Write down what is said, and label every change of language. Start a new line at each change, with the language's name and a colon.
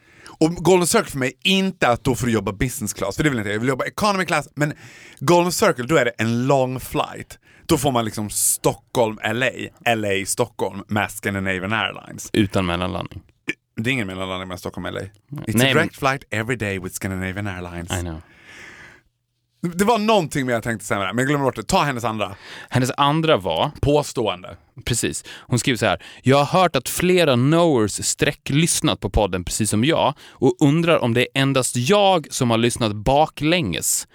Swedish: Och Golden Circle för mig inte att då får du jobba business class, för det vill inte jag. Jag vill jobba economy class, men Golden Circle, då är det en
English: long flight.
Swedish: Då får man liksom Stockholm, LA, LA, Stockholm med Scandinavian Airlines. Utan mellanlandning. Det är ingen mellanlandning med Stockholm LA.
English: It's a direct flight every day with Scandinavian Airlines. I know.
Swedish: Det var någonting mer jag tänkte säga med det. Men jag glömmer bort det. Ta hennes andra. Hennes andra var påstående. Precis. Hon skriver så här: jag har hört att flera knowers sträcklyssnat på podden precis som jag och undrar om det är endast jag som har lyssnat baklänges.